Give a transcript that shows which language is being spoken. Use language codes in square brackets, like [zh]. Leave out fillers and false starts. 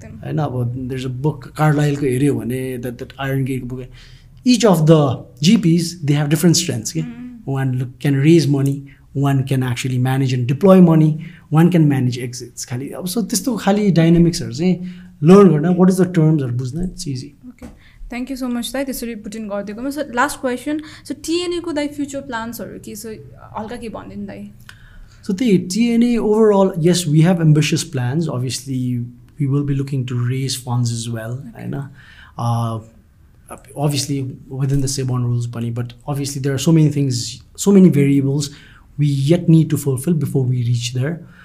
[en] I know there's a book [ne] Carlyle ko area bhane, [en] that Iron Gate book, each of the GPs, they have different strengths. Okay? One can raise money, one can actually manage and deploy money, one can manage exits. [ne] Khali so testo khali [en] dynamics are chai [ne] learn garna, [en] what is the terms are bujhna, it's easy. Thank you so much [ne] दाइ, त्यसरी put in गरिदिएकोमा. [en] so last question, [ne] so टिएनएको दाइ future प्लान्सहरू के छ, हल्का के भनिदिनु दाइ. [en] So the TNA overall, yes, we have ambitious plans. Obviously, we will be looking to raise funds as well. Okay. Right? Obviously, within the SEBON rules, bunny, but obviously, there are so many things, so many variables we yet need to fulfill before we reach there.